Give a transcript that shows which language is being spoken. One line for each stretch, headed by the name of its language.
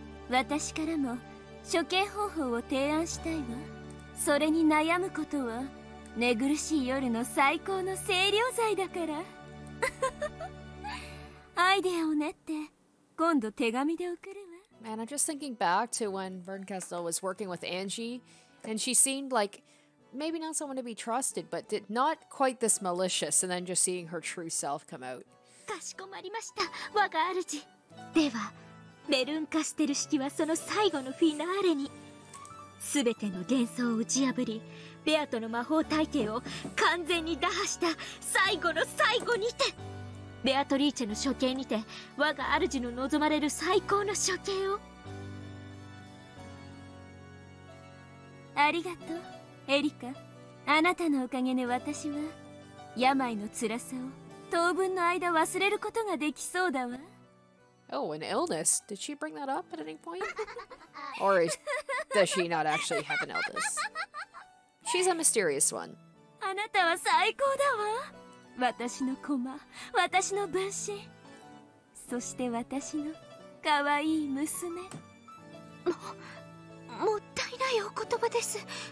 Japanese: 私からも処刑方法を提案したいわ。それに悩むことは寝苦しい夜の最高の清涼剤だから。アイデアを練って今度手紙で送るわ。
English: Man, I'm just thinking back to when Vernkessel was working with Angie, and she seemed like maybe not someone to be trusted, but did not quite this malicious, and then just seeing her true self come out.
Japanese: かしこまりました、我が主。では、ベルンカステル式はその最後のフィナーレに。すべての幻想を打ち破り、ベアトの魔法体系を完全に打破した最後の最後にて。ベアトリーチェの処刑にて、我が主の望まれる最高の処刑を。ありがとう。エリカ、あなたのおかげで私は病の辛さを当分の間忘れることができそうだわ。
English: Oh, an illness. Did she bring that up at any point? Or does she not actually have an illness? She's a mysterious one.
Japanese: あなたは最高だわ。私の駒、私の分身、そして私の可愛い娘。もったいないお言葉です。